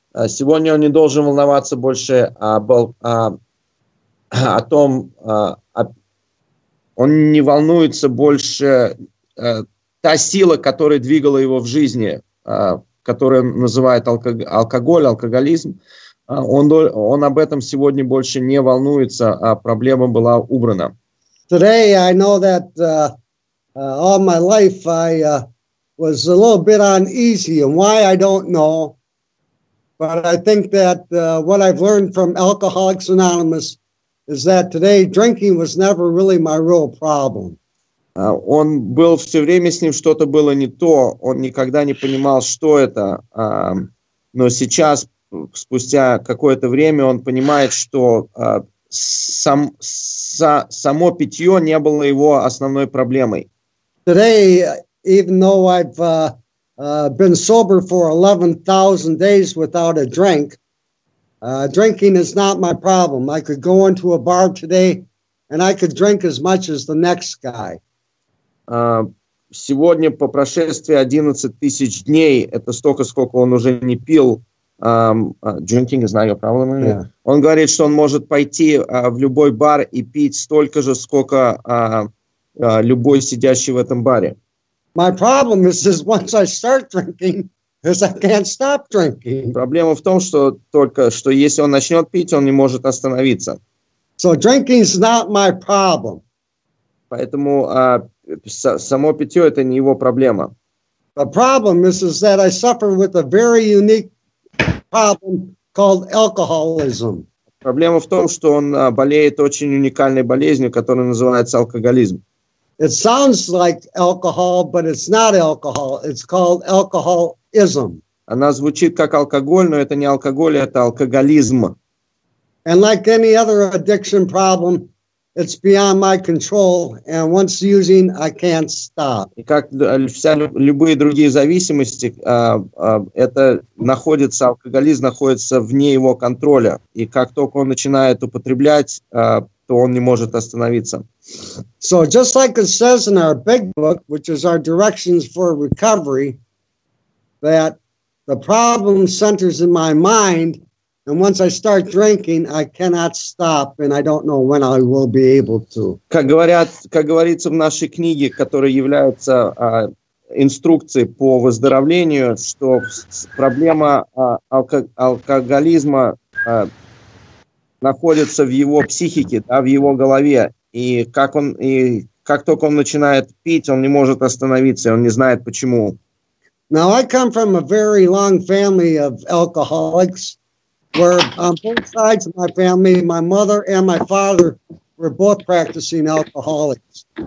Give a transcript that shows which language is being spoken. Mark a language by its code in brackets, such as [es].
[ru] Сегодня он не должен волноваться больше о том, он не волнуется больше та сила, которая двигала его в жизни, которая называет алкоголь, алкоголизм. Он об этом сегодня больше не волнуется, а проблема была убрана. [en] Today I know that all my life I was a little bit uneasy, and why I don't know, but I think that what I've learned from Alcoholics Anonymous is that today drinking was never really my real problem. [ru] Он был все время с ним что-то было не то, он никогда не понимал, что это, но сейчас спустя какое-то время он понимает, что само питье не было его основной проблемой. [en] Today, even though I've been sober for 11,000 days without a drink, drinking is not my problem. I could go into a bar today and I could drink as much as the next guy. [ru] Сегодня, по прошествии 11,000 дней, это столько, сколько он уже не пил. [en] Drinking is not your problem. Yeah. [ru] Он говорит, что он может пойти в любой бар и пить столько же, сколько любой сидящий в этом баре. [en] My problem is once I start drinking, is I can't stop drinking. [ru] Проблема в том, что только что если он начнет пить, он не может остановиться. [en] So drinking is not my problem. [ru] Поэтому само питье это не его проблема. [en] The problem is that I suffer with a very unique problem called alcoholism. [ru] Проблема в том, что он болеет очень уникальной болезнью, которая называется алкоголизм. [en] It sounds like alcohol, but it's not alcohol. It's called alcoholism. [ru] Она звучит как алкоголь, но это не алкоголь, это алкоголизм. [en] And like any other addiction problem, It's beyond my control, and once using, I can't stop. [ru] И как вся любые другие зависимости, это находится алкоголизм находится вне его контроля, и как только он начинает употреблять, то он не может остановиться. [en] So just like it says in our big book, which is our directions for recovery, that the problem centers in my mind. And once I start drinking, I cannot stop, and I don't know when I will be able to. [ru] Как говорится в нашей книге, которая является инструкцией по выздоровлению, что проблема алкоголизма находится в его психике, да, в его голове, и как только он начинает пить, он не может остановиться, он не знает почему. [en] Now I come from a very long family of alcoholics. Where on both sides of my family, my mother and my father were both practicing alcoholics.